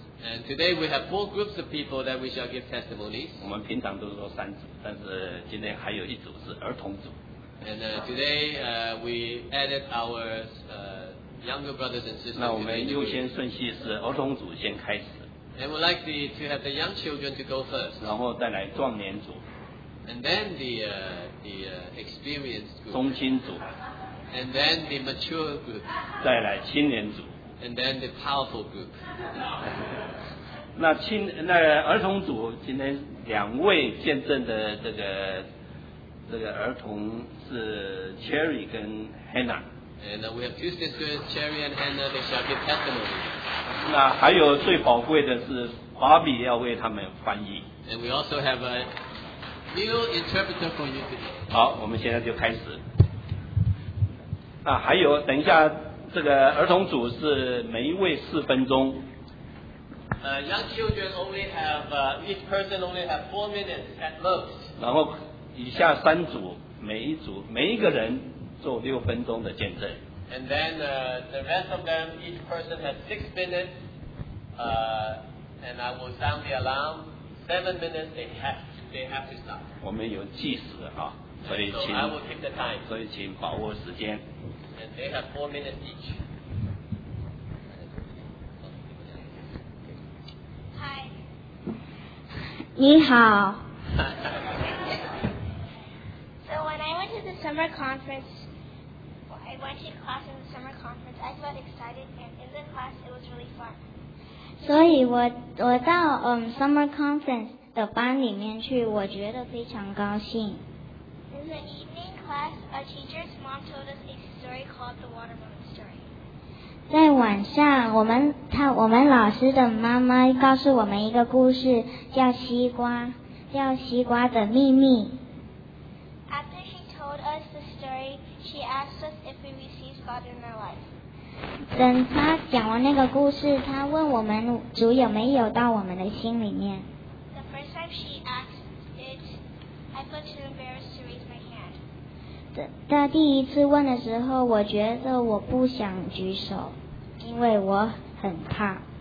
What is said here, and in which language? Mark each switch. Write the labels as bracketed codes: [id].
[en] And today we have four groups of people that we shall give testimonies. [zh] 我们平常都说三组，但是今天还有一组是儿童组。 [en] And today we added our younger brothers and sisters. [zh] 那我们优先顺序是儿童组先开始。 [en] And we'd like to have the young children to go first. [zh] 然后再来壮年组。 [en] And then the experienced group. [zh] 中青组。 [en] And then the mature group. [zh] 再来青年组。 [en] And then the powerful group. [zh] 那儿童组今天两位见证的这个儿童是 Cherry 跟 Hannah。 [en] And we have two sisters, Cherry and Hannah, they shall give testimony. [zh] 那还有最宝贵的是华比要为他们翻译。 [en] And we also have a new interpreter for you today. [zh] 好，我们现在就开始。那还有，等一下，这个儿童组是每一位四分钟。 [en] Young children only have, each person only have 4 minutes at most. [zh] 然后以下三组，每一组，每一个人做六分钟的见证。 [en] And then the rest of them, each person has 6 minutes, and I will sound the alarm. 7 minutes, they have to stop. [zh] 我们有计时啊，所以请。 [en] So I will keep the time. [zh] 所以请把握时间。 [en] And they have 4 minutes each. Hi, okay. [zh] 你好。 [en] So when I went to the summer conference. I went to class in the summer conference. I felt excited, and in the class, it was really fun. [zh] 所以我到summer conference 的班里面去，我觉得非常高兴。 [en] In the evening class, a teacher's mom told us a story called the Watermelon Story. [zh] 在晚上我们老师的妈妈告诉我们一个故事，叫西瓜的秘密。 [en] After she told us the story, she asked us if we received God in our life. [zh] 等她讲完那个故事，她问我们主有没有到我们的心里面。 [en] The first time she asked it, I felt too embarrassed to raise my hand. [zh] 她第一次问的时候，我觉得我不想举手，因为我很怕。